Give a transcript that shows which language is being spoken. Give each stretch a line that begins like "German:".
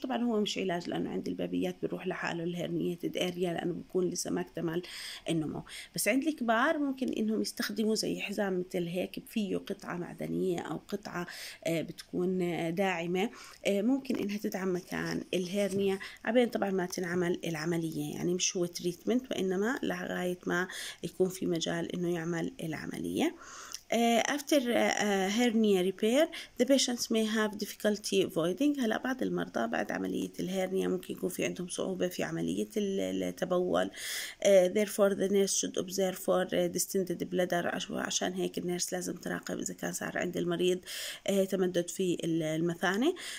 Arabic: طبعا هو مش علاج لأنه عند البابيات بيروح لحاله الهيرنيتد اريا لأنه بيكون لسه ما اكتمل النمو، بس عند الكبار ممكن إنهم يستخدموا زي حزام مثل هيك فيه قطعة معدنية أو قطعة بتكون داعمة ممكن إنها تدعم مكان الهيرنيا عبين طبعا ما تنعمل العملية، يعني مش هو تريتمنت وإنما لغاية ما يكون في مجال إنه يعمل العملية.
English: After hernia repair, the patients may have difficulty voiding.
Arabic: هلا بعض المرضى بعد عملية الهيرنيا ممكن يكون في عندهم صعوبة في عملية التبول.
English: Therefore, the nurse should observe for distended bladder.
Arabic: عشان هيك النيرس لازم تراقب إذا كان صار عند المريض تمدد في المثانة.